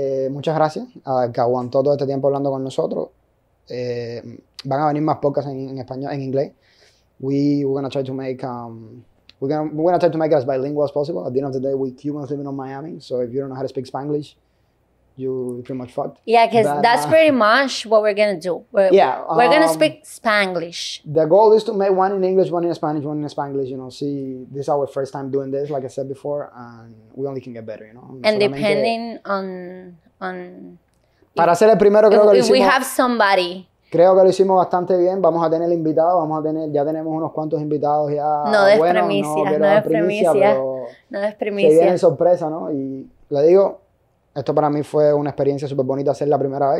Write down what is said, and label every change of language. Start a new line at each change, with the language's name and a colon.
Spanish: Muchas gracias a que aguantó todo este tiempo hablando con nosotros. Van a venir más podcasts en español, en inglés.
English: We're gonna try to make it as bilingual as possible. At the end of the day, we Cubans living in Miami, so if you don't know how to speak Spanglish, you're pretty much fucked. Yeah, because that's pretty much what we're gonna do. We're gonna speak Spanglish. The goal is to make one in English, one in Spanish, one in Spanglish. You know, see, this is our first time doing this, like I said before, and we only can get better. You know, and depending on.
Spanish: Para ser el primero, creo que lo hicimos.
English: We have somebody.
Spanish: Creo que lo hicimos bastante bien. Vamos a tener invitados. Ya tenemos unos cuantos invitados ya. No des primicias. No des primicias. Se viene sorpresa, ¿no? Y le digo, esto para mí fue una experiencia súper bonita hacer la primera vez.